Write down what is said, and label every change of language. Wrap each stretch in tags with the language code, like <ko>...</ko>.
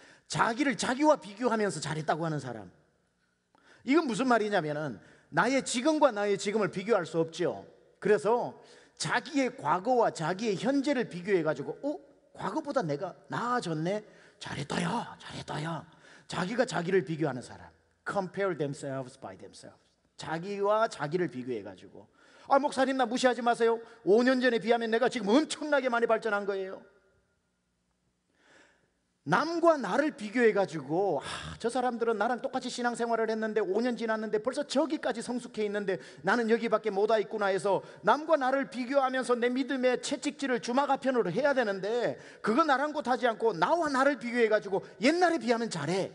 <ko>자기를 자기와 비교하면서 잘했다고 하는 사람, 이건 무슨 말이냐면은 나의 지금과 나의 지금을 비교할 수 없죠. 그래서 자기의 과거와 자기의 현재를 비교해가지고 어? 과거보다 내가 나아졌네? 잘했다야, 잘했다야. 자기가 자기를 비교하는 사람.</ko> <en>Compare themselves by themselves.</en> <ko>자기와 자기를 비교해가지고 아 목사님 나 무시하지 마세요. 5년 전에 비하면 내가 지금 엄청나게 많이 발전한 거예요. 남과 나를 비교해가지고 아, 저 사람들은 나랑 똑같이 신앙생활을 했는데 5년 지났는데 벌써 저기까지 성숙해 있는데 나는 여기밖에 못 와 있구나 해서 남과 나를 비교하면서 내 믿음의 채찍질을 주마가편으로 해야 되는데 그거 나랑 곧하지 않고 나와 나를 비교해가지고 옛날에 비하면 잘해.</ko>